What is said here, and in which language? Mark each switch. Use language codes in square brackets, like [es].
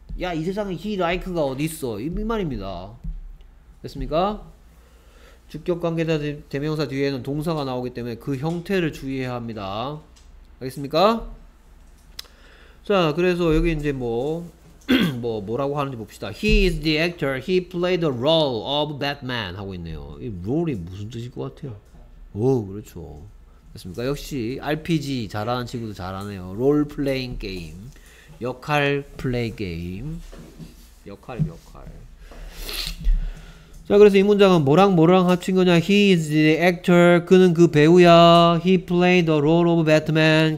[ko] 야 이 세상에 he like가 어디 있어? 이 말입니다. 됐습니까? 주격관계대명사 뒤에는 동사가 나오기 때문에 그 형태를 주의해야 합니다. 알겠습니까? 자, 그래서 여기 이제 뭐 뭐 뭐라고 하는지 봅시다. [en] He is the actor. He played the role of Batman [ko] 하고 있네요. 이 role이 무슨 뜻일 것 같아요? 오, 그렇죠. 됐습니까? 역시 RPG 잘하는 친구도 잘하네요. 롤 플레잉 게임. 역할 플레이 게임. 역할 역할. 자, 그래서 이 문장은 뭐랑 뭐랑 합친 거냐? [en] He is the actor. [ko] 그는 그 배우야. [en] He played the role of Batman.